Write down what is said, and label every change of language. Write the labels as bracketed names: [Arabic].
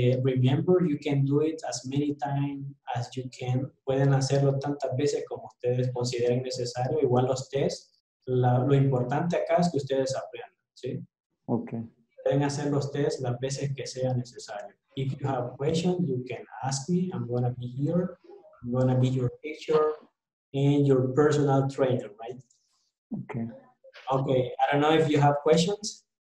[English] Remember, you can do it as many times as you can. [Spanish] Pueden hacerlo tantas veces como ustedes consideren necesario. Igual los tests. Lo importante acá es que ustedes aprendan, ¿sí? Ok. Pueden hacer los tests las veces que sea necesario. [English] If you have questions, you can ask me. I'm going to be here. I'm going to be your teacher and your personal trainer, right? Ok. Okay, I don't know if you have questions.